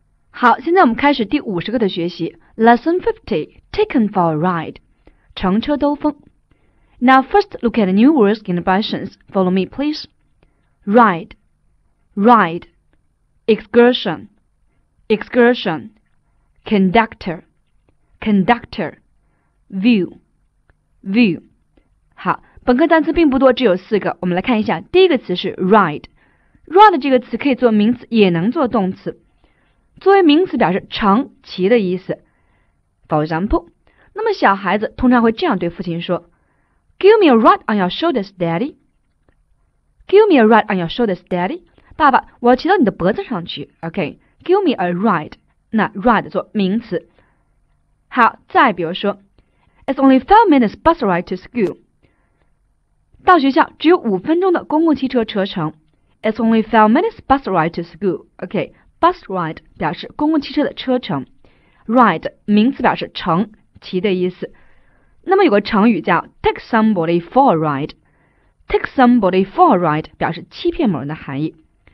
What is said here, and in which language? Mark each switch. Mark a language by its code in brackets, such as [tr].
[zh] 好，现在我们开始第五十课的学习。 [en] Lesson 50, Taken for a Ride, [zh] 乘车兜风。 [en] Now first look at the new words and expressions. Follow me, please. Ride, ride, excursion, excursion, conductor, conductor, view, view. [zh] 好，本课单词并不多，只有四个。我们来看一下，第一个词是 ride。 Ride 这个词可以做名词，也能做动词。作为名词表示乘、骑的意思。 [en] For example, [zh] 那么小孩子通常会这样对父亲说 [en] Give me a ride on your shoulders, daddy. Give me a ride on your shoulders, daddy. [zh] 爸爸，我要骑到你的脖子上去。 [en] OK, give me a ride. [zh] 那 ride 做名词。好，再比如说 [en] It's only 5 minutes bus ride to school. [zh] 到学校只有5分钟的公共汽车车程。 [en] It's only 5 minutes bus ride to school. [zh] OK,Bus ride 表示公共汽车的车程 ，ride 名词表示乘、骑的意思。那么有个成语叫 take somebody for a ride， take somebody for a ride 表示欺骗某人的含义。